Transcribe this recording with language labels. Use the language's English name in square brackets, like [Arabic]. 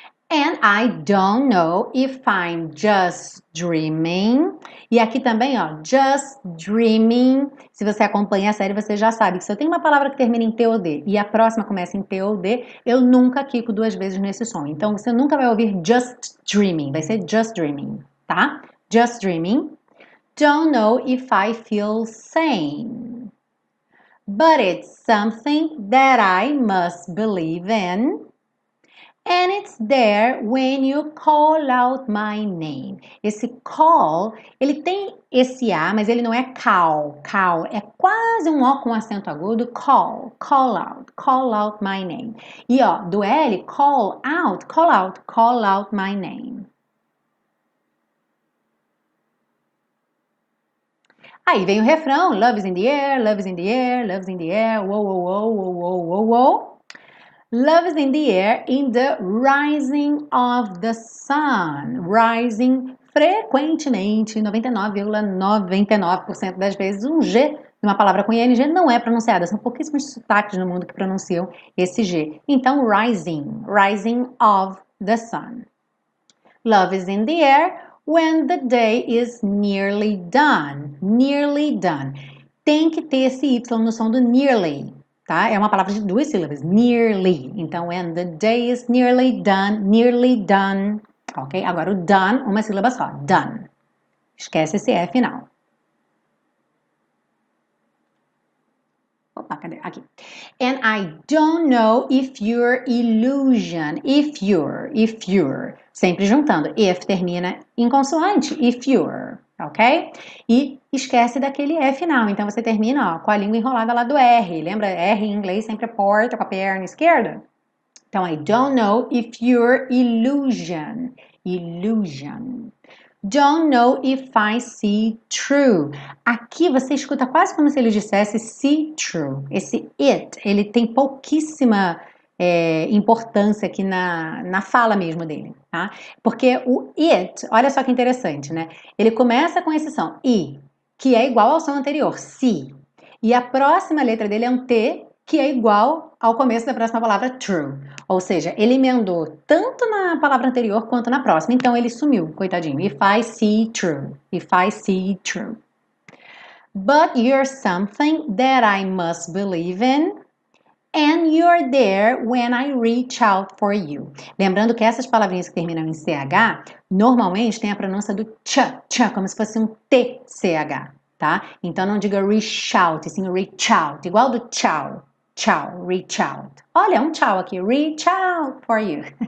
[English] And I don't know if I'm just dreaming. [Portuguese] E aqui também, ó, [English] just dreaming. [Portuguese] Se você acompanha a série, você já sabe que se eu tenho uma palavra que termina em T ou D e a próxima começa em T ou D, eu nunca quico duas vezes nesse som. Então você nunca vai ouvir [English] just dreaming. [Portuguese] Vai ser [English] just dreaming, tá? Just dreaming. Don't know if I feel sane. But it's something that I must believe in. And it's there when you call out my name. [Portuguese] Esse call, ele tem esse A, mas ele não é call. Call é quase um O com acento agudo. [English] Call, call out my name. [Portuguese] E ó, do L, [English] call out my name. [Portuguese] Aí vem o refrão, [English] love is in the air, love is in the air, love is in the air, whoa, whoa, whoa, whoa, whoa, whoa, whoa. Love is in the air in the rising of the sun. [Portuguese] Rising frequentemente, 99,99% das vezes, um G numa palavra com ING não é pronunciada. São pouquíssimos sotaques no mundo que pronunciam esse G. Então, rising, rising of the sun. [English] Love is in the air. When the day is nearly done, nearly done. [Portuguese] Tem que ter esse Y no som do nearly, tá? tá? É uma palavra de duas sílabas, nearly. [English] Então, when the day is nearly done, ok? [Portuguese] Agora, o done, uma sílaba só, done. Esquece esse E final. Opa, cadê? Aqui. [English] And I don't know if you're illusion. If you're. [Portuguese] Sempre juntando. If termina em consoante. If you're. Ok? E esquece daquele E final. Então você termina, ó, com a língua enrolada lá do R. Lembra? R em inglês sempre é porta com a perna esquerda. [English] Então, I don't know if you're illusion. Illusion. Don't know if I see true. [Portuguese] Aqui você escuta quase como se ele dissesse [English] see true. [Portuguese] Esse it, ele tem pouquíssima importância aqui na fala mesmo dele, tá? Porque o it, olha só que interessante, né? Ele começa com esse som, i, que é igual ao som anterior, see. E a próxima letra dele é um t, que é igual ao começo da próxima palavra, true. Ou seja, ele emendou tanto na palavra anterior quanto na próxima. Então ele sumiu, coitadinho. [English] If I see true. If I see true. But you're something that I must believe in. And you're there when I reach out for you. [Portuguese] Lembrando que essas palavrinhas que terminam em CH, normalmente tem a pronúncia do tch, como se fosse um TCH, tá? Então não diga [English] reach out, [Portuguese] sim reach out, igual do tchau. Tchau, reach out. Olha, um tchau aqui. [English] Reach out for you.